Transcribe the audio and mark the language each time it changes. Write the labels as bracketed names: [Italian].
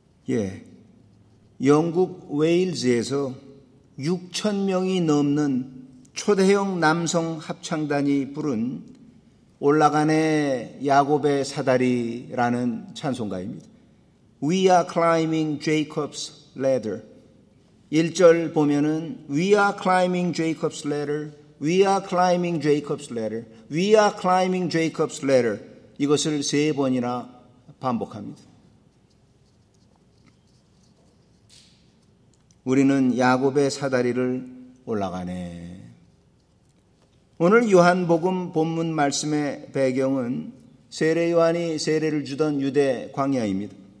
[Korean] 예, 영국 웨일즈에서 6천 명이 넘는 초대형 남성 합창단이 부른 올라가네 야곱의 사다리라는 찬송가입니다. [English] We are climbing Jacob's ladder. [Korean] 1절 보면은 [English] We are climbing Jacob's ladder. We are climbing Jacob's ladder. We are climbing Jacob's ladder. [Korean] 이것을 세 번이나 반복합니다. 우리는 야곱의 사다리를 올라가네. 오늘 요한복음 본문 말씀의 배경은 세례 요한이 세례를 주던 유대 광야입니다.